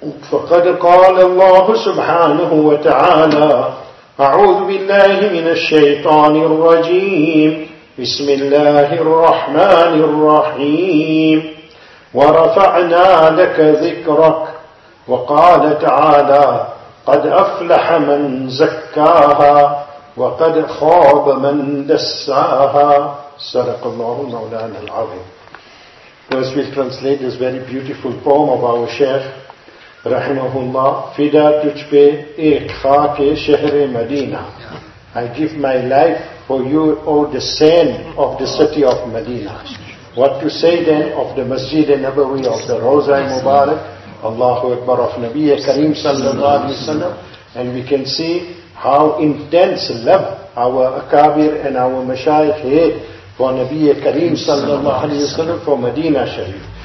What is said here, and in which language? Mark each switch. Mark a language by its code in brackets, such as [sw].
[ar] فقد قال الله سبحانه وتعالى, أعوذ بالله من الشيطان الرجيم, بسم الله الرحمن الرحيم. ورفعنا لك ذكرك. وقال تعالى, قد أفلح من زكاها وقد خاب من دساها. صدق الله مولانا العظيم. [en] First we'll translate this very beautiful poem of our Sheikh رحمه الله. [ur] فدا تجھ پہ ایک خاک شہر مدینہ. [en] I give my life for you, O the saint of the city of Medina. What to say then of the Masjid Nabawi, of the Rauza-e Mubarak, Allahu Akbar, of Nabi Kareem sallallahu alayhi wa sallam. And we can see how intense love our akabir and our mashayikh had for Nabi Kareem sallallahu alayhi wa sallam, for Medina Sharif.